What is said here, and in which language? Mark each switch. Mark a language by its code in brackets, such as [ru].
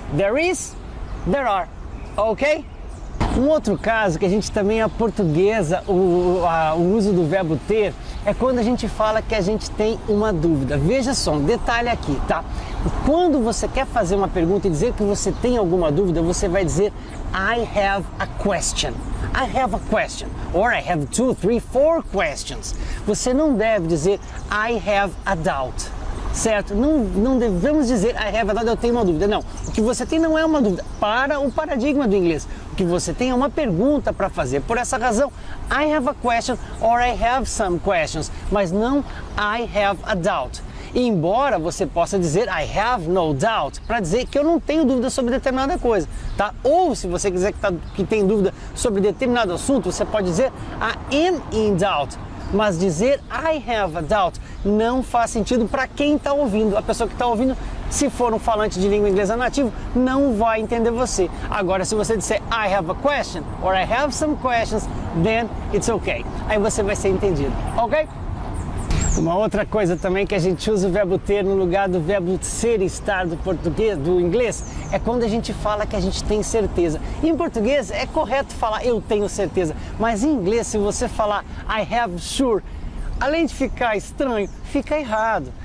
[en] There is, there are, ok? [pt] Um outro caso que a gente também é portuguesa, o uso do verbo ter, é quando a gente fala que a gente tem uma dúvida. Veja só, um detalhe aqui, tá? Quando você quer fazer uma pergunta e dizer que você tem alguma dúvida, você vai dizer [en] I have a question. I have a question. Or I have two, three, four questions. [pt] Você não deve dizer [en] I have a doubt. [pt] Certo? Não devemos dizer [en] I have a doubt, [pt] eu tenho uma dúvida. Não. O que você tem não é uma dúvida. Para o paradigma do inglês. O que você tem é uma pergunta para fazer. Por essa razão, [en] I have a question or I have some questions. [pt] Mas não [en] I have a doubt. [pt] Embora você possa dizer [en] I have no doubt, [pt] para dizer que eu não tenho dúvida sobre determinada coisa, tá? Ou se você quiser que tem dúvida sobre determinado assunto, você pode dizer [en] I am in doubt. [pt] Mas dizer [en] I have a doubt [pt] não faz sentido para quem está ouvindo. A pessoa que está ouvindo, se for um falante de língua inglesa nativo, não vai entender você. Agora, se você disser [en] I have a question or I have some questions, then it's okay. [pt] Aí você vai ser entendido, ok? Uma outra coisa também que a gente usa o verbo ter no lugar do verbo ser e estar do português, do inglês, é quando a gente fala que a gente tem certeza. Em português é correto falar eu tenho certeza, mas em inglês se você falar [en] I have sure, [pt] além de ficar estranho, fica errado.